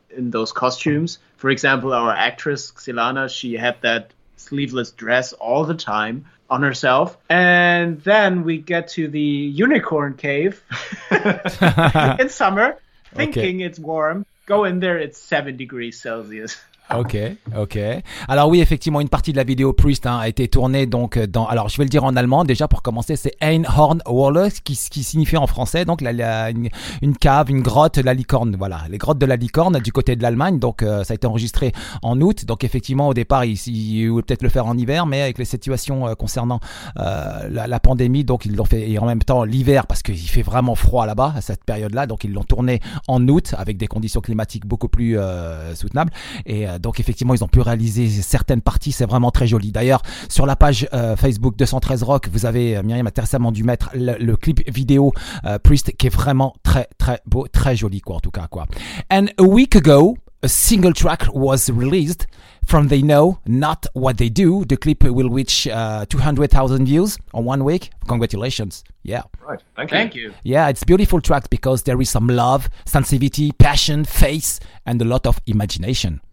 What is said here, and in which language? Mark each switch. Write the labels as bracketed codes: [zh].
[en] in those costumes. For example, our actress Xilana, she had that sleeveless dress all the time on herself. And then we get to the unicorn cave in summer, thinking okay. It's warm. Go in there, it's 7 degrees Celsius. Ok. [fr] Alors oui, effectivement, une partie de la vidéo Priest hein, a été tournée donc dans. Alors je vais le dire en allemand déjà pour commencer. C'est Einhornwallus qui signifie en français donc une cave, une grotte, la licorne. Voilà, les grottes de la licorne du côté de l'Allemagne. Donc ça a été enregistré en août. Donc effectivement, au départ, ils voulaient peut-être le faire en hiver, mais avec les situations concernant la pandémie, donc ils l'ont fait et en même temps l'hiver parce qu'il fait vraiment froid là-bas à cette période-là. Donc ils l'ont tourné en août avec des conditions climatiques beaucoup plus soutenables et donc effectivement ils ont pu réaliser certaines parties, c'est vraiment très joli. D'ailleurs sur la page Facebook 213 Rock, vous avez Myriam a intéressamment dû mettre le clip vidéo Priest qui est vraiment très très beau, très joli quoi, en tout cas quoi. [en] And a week ago a single track was released from They Know Not What They Do. The clip will reach 200,000 views on 1 week. Congratulations. Yeah. Right. Thank you. Yeah, it's a beautiful track because there is some love, sensitivity, passion, face and a lot of imagination.